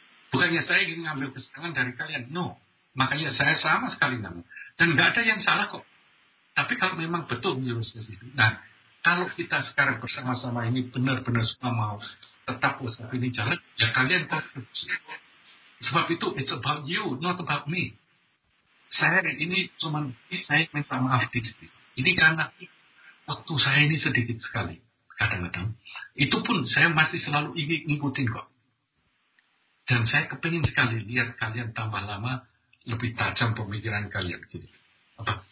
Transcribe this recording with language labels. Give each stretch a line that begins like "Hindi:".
Indonesian: Bukannya saya ingin ngambil kesenangan dari kalian. No. Makanya saya sama sekali namanya. Dan nggak ada yang salah kok. Tapi kalau memang betul menjelaskan itu. Nah, kalau kita sekarang bersama-sama ini benar-benar semua mau tetap WhatsApp ini jalan, ya kalian kontribusi. Sebab itu,
English: it's about you, not about me.
Indonesian: Saya ini cuma, saya minta maaf di sini. Ini karena waktu saya ini sedikit sekali. kadang-kadang. Itu pun saya masih selalu ingin ngikutin kok. Dan saya kepengen sekali lihat kalian tambah lama, lebih tajam pemikiran kalian. Apa?